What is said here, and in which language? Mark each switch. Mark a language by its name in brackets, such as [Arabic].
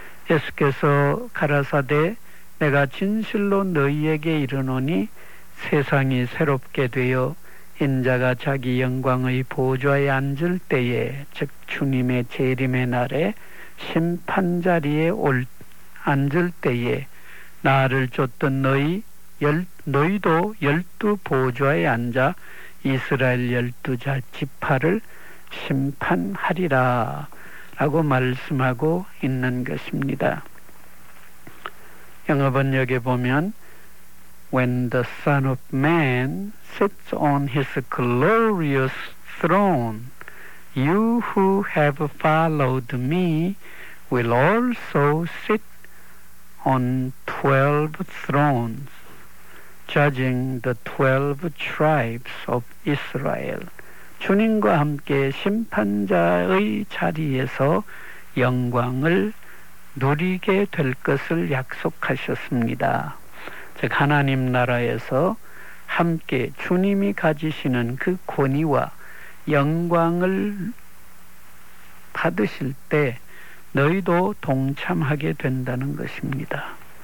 [Korean] 예수께서 가라사대 내가 진실로 너희에게 이르노니 세상이 새롭게 되어 인자가 자기 영광의 보좌에 앉을 때에 즉 주님의 재림의 날에 심판자리에 앉을 때에 나를 쫓던 너희도 열두 보좌에 앉아 이스라엘 열두 지파를 심판하리라 라고 말씀하고 있는 것입니다. 영어 번역에 보면 [English] When the Son of Man sits on his glorious throne, you who have followed me will also sit on 12 thrones, judging the 12 tribes of Israel. [Korean] 주님과 함께 심판자의 자리에서 영광을 누리게 될 것을 약속하셨습니다. 즉 하나님 나라에서 함께 주님이 가지시는 그 권위와 영광을 받으실 때 너희도 동참하게 된다는 것입니다.